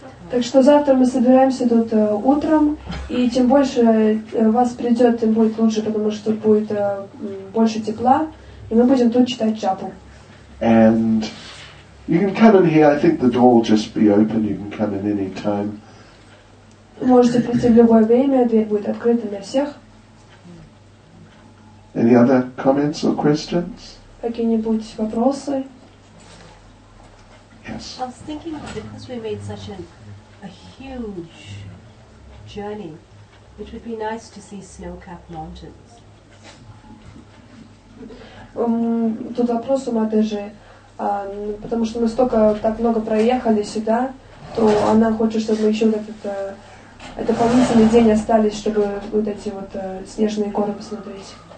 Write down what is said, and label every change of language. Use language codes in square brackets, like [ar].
[ru] Так что завтра мы собираемся тут утром, и чем больше вас придет, тем будет лучше, потому что будет больше тепла, и мы будем тут читать джапу. [en] And you can come in here. I think the door will just be open. You can come in any time. [ru] Можете прийти в любое время, дверь будет открыта для всех. [en] Any other comments or questions? [ru] Какие-нибудь вопросы? [en] Yes. I was thinking because we made such a huge journey, it would be nice to see snow-capped mountains. [ru] Тут вопрос у Мадежи, потому что мы столько так много проехали сюда, то она хочет, чтобы мы еще этот дополнительный день остались, чтобы вот эти вот снежные горы посмотреть.